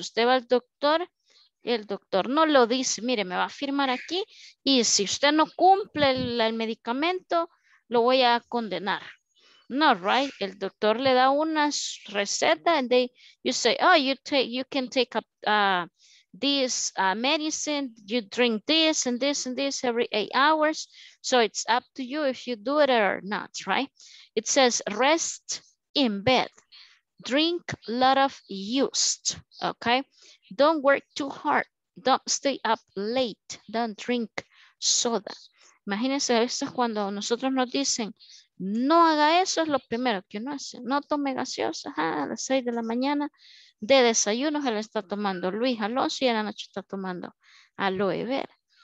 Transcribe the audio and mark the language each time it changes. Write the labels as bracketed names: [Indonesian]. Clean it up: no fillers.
[Spanish] Usted va al doctor, el doctor no lo dice, mire, me va a firmar aquí, y si usted no cumple el medicamento, lo voy a condenar. No, right? El doctor le da una receta, [English] and they, you say, oh, you can take up this medicine, you drink this and this and this every 8 hours. So it's up to you if you do it or not, right? It says rest in bed, drink a lot of yeast, okay? Don't work too hard, don't stay up late, don't drink soda. [Spanish] Imagínense, esto es cuando nosotros nos dicen, no haga eso, es lo primero que uno hace. No tome gaseosa a las 6 de la mañana. De desayuno se la está tomando Luis Alonso y en la noche está tomando aloe vera.